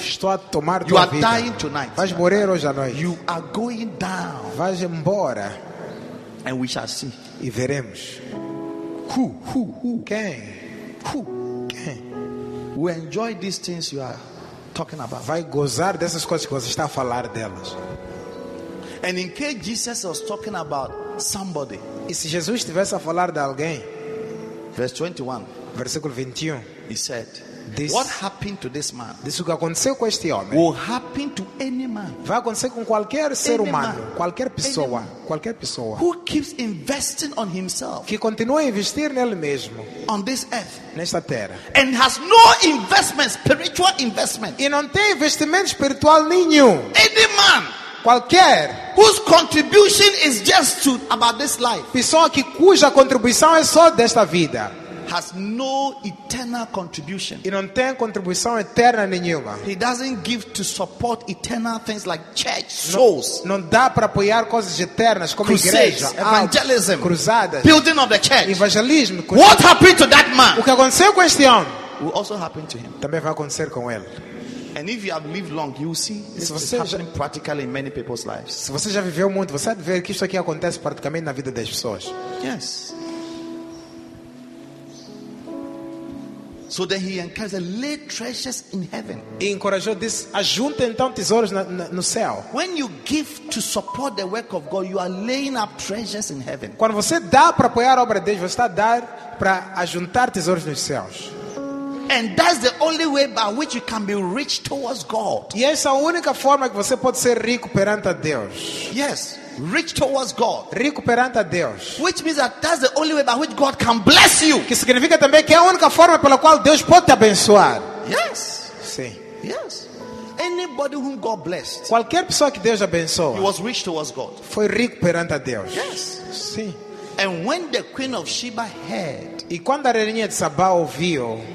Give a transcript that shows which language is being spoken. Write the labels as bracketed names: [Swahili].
[Portuguese] Estou a tomar [English] you [Portuguese] tua [English] are [Portuguese] vida. [English] Dying tonight. [Portuguese] Vais morrer hoje à noite. [English] You are going down. [Portuguese] Vais embora. [English] And we shall see. [Portuguese] E veremos. [English] Who? [Portuguese] Quem? [English] Who? [Portuguese] Quem? [English] We enjoy these things you are talking about. [Portuguese] Vai gozar dessas coisas que você está a falar delas. [English] And in case Jesus was talking about somebody. [Portuguese] E se Jesus estivesse a falar de alguém? Versículo 21. [English] He said. What happened to this man? [Portuguese] Isso que aconteceu com este homem. [English] Will happen to any man. [Portuguese] Vai acontecer com qualquer ser humano, qualquer pessoa. [English] Who keeps investing on himself? [Portuguese] Que continua a investir nele mesmo. [English] On this earth. [Portuguese] Nesta terra. [English] And has no investment, spiritual investment. [Portuguese] E não tem investimento espiritual nenhum. [English] Any man. [Portuguese] Qualquer. [English] Whose contribution is just to about this life. [Portuguese] Pessoa que cuja contribuição é só desta vida. [English] Has no eternal contribution. [Portuguese] E não tem contribuição eterna nenhuma. [English] He doesn't give to support eternal things like church, souls. [Portuguese] Não dá para apoiar coisas eternas como [English] crusades, [Portuguese] igreja, [English] evangelism, [Portuguese] altos, cruzadas, [English] building of the church. [Portuguese] Evangelismo. [English] Cruzadas. What happened to that man? [Portuguese] O que aconteceu com este homem? [English] Will also happen to him. [Portuguese] Também vai acontecer com ele. [English] And if you have lived long, you will see this is happening practically in many people's lives. [Portuguese] Se você já viveu muito, você vai ver que isso aqui acontece praticamente na vida das pessoas. [English] Yes. So then he encouraged them, lay treasures in heaven. [Portuguese] E encorajou, disse, ajunte então tesouros no céu. [English] When you give to support the work of God, you are laying up treasures in heaven. [Portuguese] Quando você dá para apoiar a obra de Deus, você está dar para ajuntar tesouros nos céus. [English] And that's the only way by which you can be rich towards God. [Portuguese] E essa é a única forma que você pode ser rico perante a Deus. [English] Yes. Rich towards God. [Portuguese] Rico perante a Deus. [English] Which means that that's the only way by which God can bless you. [Portuguese] Que significa também que é a única forma pela qual Deus pode te abençoar. [English] Yes. [Portuguese] Sim. [English] Yes. Anybody whom God blessed. [Portuguese] Qualquer pessoa que Deus abençoou. [English] He was rich towards God. [Portuguese] Foi rico perante a Deus. [English] Yes. [Portuguese] Sim. [English] And when the queen of Sheba heard. [Portuguese] E quando a rainha de Sabá ouviu.